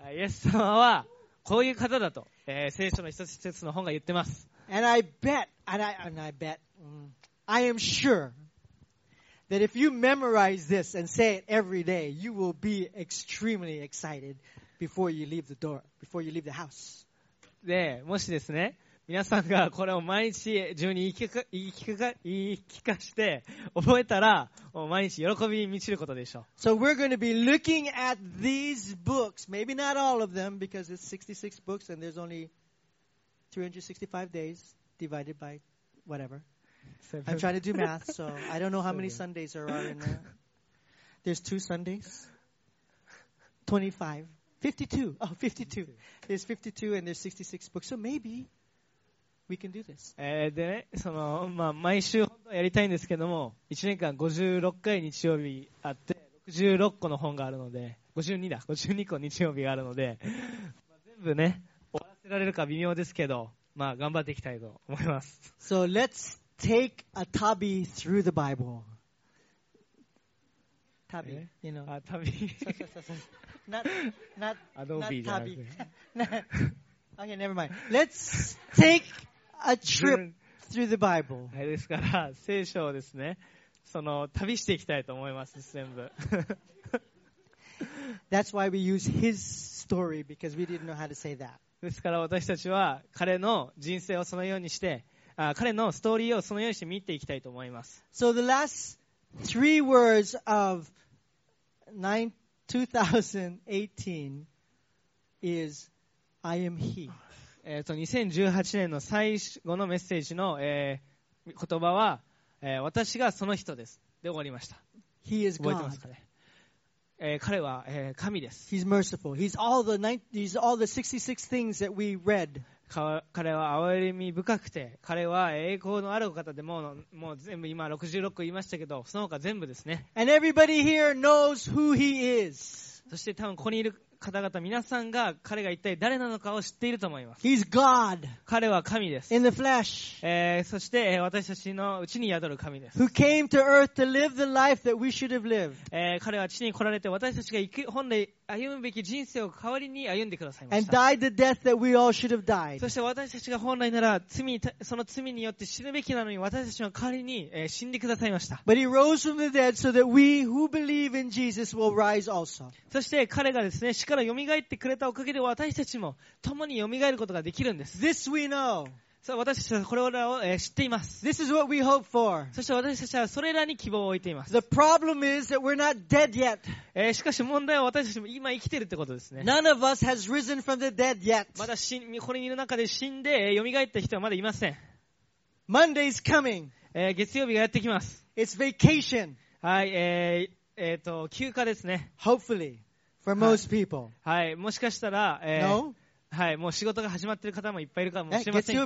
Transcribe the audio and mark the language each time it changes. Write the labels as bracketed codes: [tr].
[ja] イエス様はこういう方だと、聖書の一つ一つの本が言ってます。 [en] And I bet, and I bet, I am sure that if you memorize this and say it every day, you will be extremely excited before you leave the door, before you leave the house. [ja] で、もしですね、皆さんがこれを毎日自分に言い聞かして覚えたら、もう毎日喜びに満ちることでしょう。 [en] So we're going to be looking at these books, maybe not all of them, because it's 66 books and there's only 365 days divided by whatever. I'm trying to do math, so I don't know how many Sundays there are in there. There's two Sundays. 52. Oh, 52. There's 52 and there's 66 books. So maybe we can do this. [ja] で、その、まあ、毎週本当はやりたいんですけども、1年間56回日曜日あって、66個の本があるので、52だ、52個日曜日があるので、まあ、全部ね、終わらせられるか微妙ですけど、まあ、頑張っていきたいと思います。 [en] So let's take a tabby through the Bible. Tabby, you know. [ja] あ、タビ。 [en] Not tabby. Okay, never mind. Let's take a trip through the Bible. [ja] はい、ですから、聖書をですね、その、旅していきたいと思います、全部。 [en] That's why we use his story, because we didn't know how to say that. [ja] ですから、私たちは彼の人生をそのようにして、彼のストーリーをそのようにして見ていきたいと思います。 [en] So the last three words of 2018 is I am he. [ja] 2018年の最後のメッセージの、言葉は、私がその人です。で終わりました。 [en] He is God. [ja] 覚えてますかね。彼は、神です。 [en] He's merciful. He's all the 66 things that we read. [ja] 彼は憐れみ深くて、彼は栄光のある方で、もう全部今66個言いましたけど、その他全部ですね。 [en] And everybody here knows who he is. [ja] そして多分ここにいる方々皆さんが彼が一体誰なのかを知っていると思います。 [en] He's God. [ja] 彼は神です。 [en] In the flesh. [ja] そして私たちのうちに宿る神です。 [en] Who came to earth to live the life that we should have lived. [ja] 彼は地に来られて私たちが本来歩むべき人生を代わりに歩んでくださいました。 [en] And died the death that we all should have died. [ja] そして私たちが本来なら罪その罪によって死ぬべきなのに私たちの代わりに死んでくださいました。 [en] But he rose from the dead so that we who believe in Jesus will rise also. [ja] そして彼がですね死から蘇ってくれたおかげで私たちも共に蘇ることができるんです。 [en] This we know. [ja] そう、私たちはこれらを、知っています。 [en] This is what we hope for. [ja] そして私たちはそれらに希望を置いています。 [en] The problem is that we're not dead yet. [ja] しかし問題は私たちも今生きているってことですね。 [en] None of us has risen from the dead yet. [ja] まだ死に、これにいる中で死んで、蘇った人はまだいません。 [en] Monday's coming. [ja] 月曜日がやってきます。 [en] It's vacation. [ja] はい、休暇ですね。 [en] Hopefully. For most people. [ja] はい、もしかしたら、 [en] No? [ja] はい、もう仕事が始まってる方もいっぱいいるかもしれませんけど。